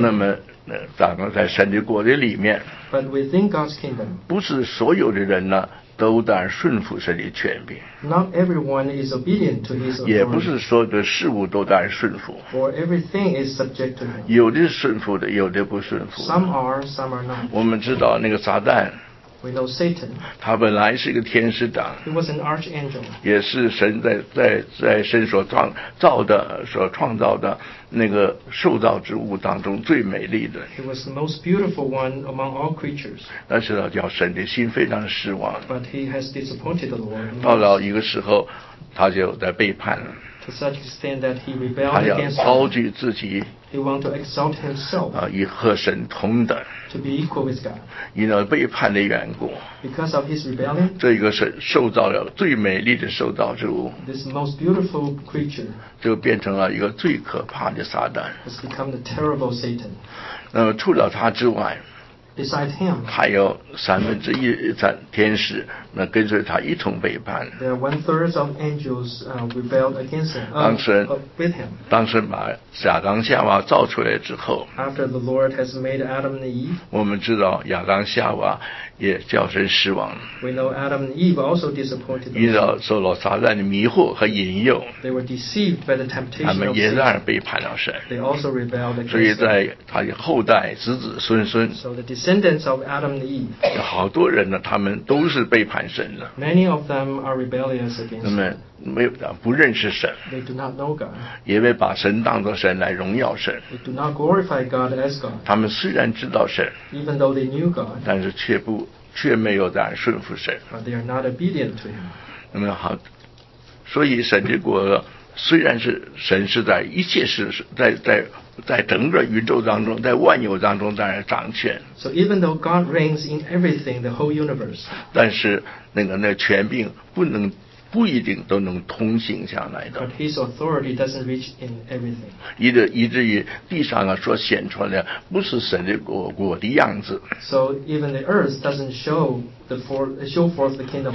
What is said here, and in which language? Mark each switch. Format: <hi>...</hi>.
<zh>那么，掌握在神的国的里面。</zh> <en>But within God's kingdom,</en> <zh>不是所有的人呢都在顺服神的权柄。</zh> <en>Not everyone is obedient to His authority.</en> <zh>也不是所有的事物都在顺服。</zh> <en>For everything is subject to Him.</en> <zh>有的顺服的，有的不顺服。</zh> <en>Some are, some are not.</en> <zh>我们知道那个撒旦。</zh> <en>We know Satan.</en> <zh>他本来是一个天使长。</zh> <en>He was an archangel.</en> <zh>也是神在神所创造的那个受造之物当中最美丽的。</zh> <en>He was the most beautiful one among all creatures.</en> <zh>但是呢，叫神的心非常失望。</zh> <en>But he has disappointed the Lord.</en> <zh>到了一个时候，他就在背叛了。</zh> <en>To such extent that he rebelled against.</en> <zh>他要高举自己。</zh> <en>He wanted to exalt himself.</en> <zh>与和神同等。</zh> <en>To be equal with God.</en> <zh>因为背叛的缘故。</zh> <en>Because of his rebellion.</en> <zh>这一个是受造了最美丽的受造之物。</zh> <en>This most beautiful creature.</en> <zh>就变成了一个最可怕的撒旦。</zh> <en>Has become the terrible Satan.</en> <zh>那么除了他之外。</zh> <en>Beside him,</en> <zh>还有三分之一在天使，那跟随他一同背叛。</zh> <en>There are one third of angels rebelled against him.</en> <zh>当神把亚当夏娃造出来之后</zh> <en>，After the Lord has made Adam and Eve,</en> <zh>我们知道亚当夏娃也叫神失望。</zh> <en>We know Adam and Eve also disappointed.</en> <zh>遇到受了撒旦的迷惑和引诱</zh> <en>，They were deceived by the temptation.</en> <zh>他们也让人背叛了神。</zh> <en>They also rebelled against him.</en> <zh>所以在他的后代子子孙孙</zh> <en>，So the deceit descendants of Adam and Eve.</en> <zh>好多人呢，他们都是背叛神的。</zh> <en>Many of them are rebellious against.</en> <zh>他们没有不认识神。</zh> <en>They do not know God.</en> <zh>也没把神当作神来荣耀神。</zh> <en>They do not glorify God as God.</en> <zh>他们虽然知道神。</zh> <en>Even though they knew God.</en> <zh>但是却没有在顺服神。</zh> <en>But they are not obedient to Him.</en> <zh>那么好，所以神之国。虽然是神是在一切事在整个宇宙当中，在万有当中在掌权。</zh> <en>So even though God reigns in everything, the whole universe.</en> <zh>但是那权柄不一定都能通行下来的。</zh> <en>But His authority doesn't reach in everything.</en> <zh>以至于地上啊所显出来的不是神的国的样子。</zh> <en>So even the earth doesn't show forth the kingdom.</en>